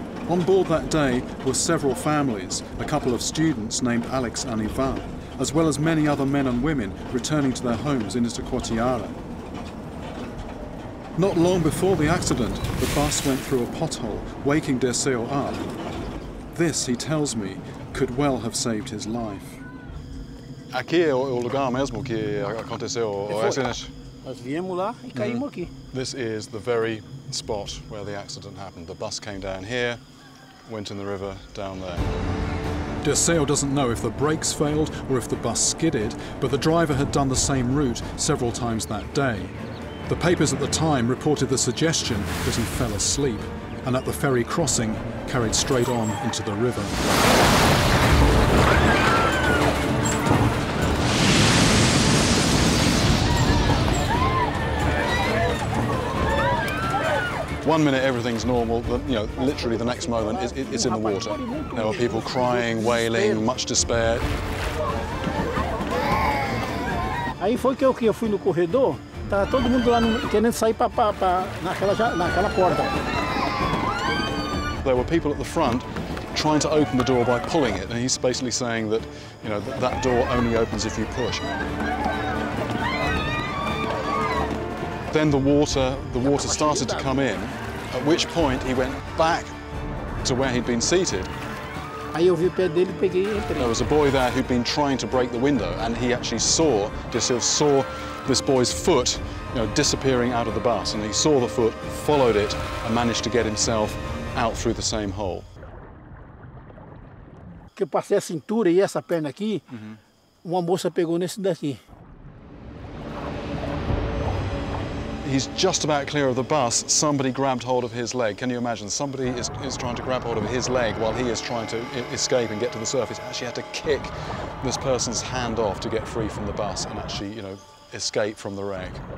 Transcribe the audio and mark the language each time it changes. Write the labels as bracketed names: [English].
[English] On board that day were several families, a couple of students named Alex and Ivan, as well as many other men and women returning to their homes in Itaquatiara. Not long before the accident, the bus went through a pothole, waking Dirceu up. This, he tells me, could well have saved his life. [Portuguese] Aqui é o lugar mesmo que aconteceu o acidente. Nós viemos lá e caímos aqui. [English] This is the very spot where the accident happened. The bus came down here, went in the river down there. Dirceu doesn't know if the brakes failed or if the bus skidded, but the driver had done the same route several times that day. The papers at the time reported the suggestion that he fell asleep and at the ferry crossing carried straight on into the river. One minute everything's normal, but you know, literally the next moment it's in the water. There are people crying, wailing, much despair. [Portuguese] Aí foi que eu fui no corredor, tá todo mundo lá querendo sair para naquela porta. [English] There were people at the front trying to open the door by pulling it, and he's basically saying that, you know, that door only opens if you push. Then the water started to come in. At which point he went back to where he'd been seated. [Portuguese] Aí eu vi o pé dele, peguei e entrei. [English] There was a boy there who'd been trying to break the window, and he actually saw, just sort of saw this boy's foot, you know, disappearing out of the bus, and he saw the foot, followed it, and managed to get himself out through the same hole. [Portuguese] Que eu passei a cintura e essa perna aqui, uma moça pegou nesse daqui. [English] He's just about clear of the bus, somebody grabbed hold of his leg. Can you imagine? Somebody is trying to grab hold of his leg while he is trying to escape and get to the surface. Actually had to kick this person's hand off to get free from the bus and actually, you know, escape from the wreck.